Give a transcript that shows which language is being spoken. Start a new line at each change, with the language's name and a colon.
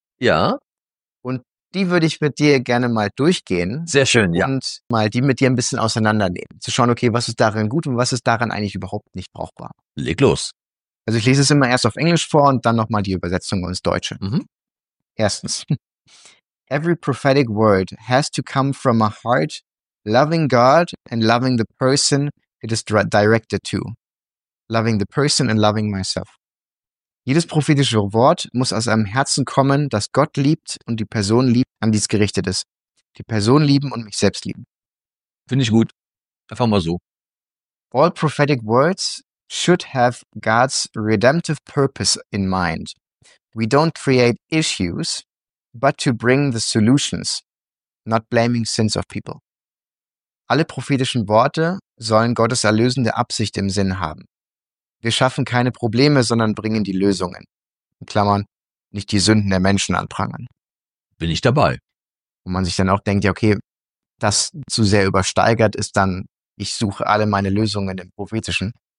German: Ja. Und die würde ich mit dir gerne mal durchgehen. Sehr schön, ja. Und mal die mit dir ein bisschen auseinandernehmen. Zu schauen, okay, was ist darin gut und was ist daran eigentlich überhaupt nicht brauchbar. Leg los. Also ich lese es immer erst auf Englisch vor und dann nochmal die Übersetzung ins Deutsche. Mhm. Erstens.
English: Every prophetic word has to come from a heart loving God and loving the person it is directed to. Loving the person and loving myself.
German: Jedes prophetische Wort muss aus einem Herzen kommen, das Gott liebt und die Person liebt, an die es gerichtet ist. Die Person lieben und mich selbst lieben. Finde ich gut. Einfach mal so.
English: All prophetic words should have God's redemptive purpose in mind. We don't create issues, but to bring the solutions, not blaming sins of people.
German: Alle prophetischen Worte sollen Gottes erlösende Absicht im Sinn haben. Wir schaffen keine Probleme, sondern bringen die Lösungen. In Klammern, nicht die Sünden der Menschen anprangern. Bin ich dabei. Und man sich dann auch denkt, ja, okay, das zu sehr übersteigert ist dann, ich suche alle meine Lösungen im Prophetischen.